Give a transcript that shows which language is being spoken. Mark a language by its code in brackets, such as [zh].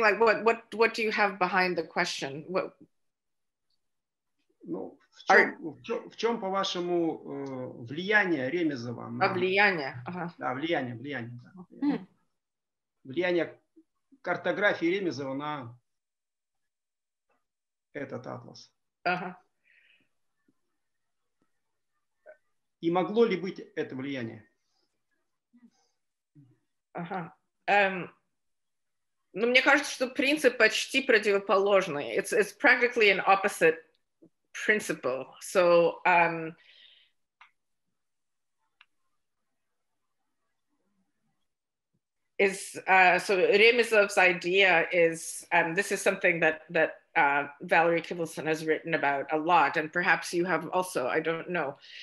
[en] Like what do you have behind the question? [ru] В чём, по-вашему, влияние Ремезова на... Влияние. Mm. Влияние картографии Ремезова на этот атлас. И могло ли быть это влияние? Ну, мне кажется, что принцип почти противоположный. [en] It's practically an opposite principle. So, Ремезов's idea is, this is something that Valerie Kivelson has written about a lot, and perhaps you have also, I don't know.